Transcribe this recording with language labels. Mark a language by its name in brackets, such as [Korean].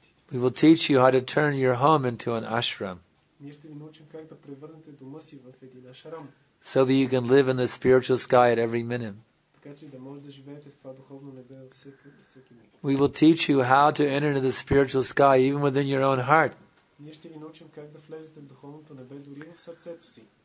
[English] We will teach you how to turn your home into an ashram. [Bulgarian] Ние ще ви научим как да превърнете дома си в един ашрам. [English] So that you can live in the spiritual sky at every minute. [Bulgarian] Така че да можете да живеете в това духовно небе във всеки миг. [English] We will teach you how to enter into the spiritual sky even within your own heart. [Bulgarian] Ние ще ви научим как да влезете в духовното небе дори в сърцето си.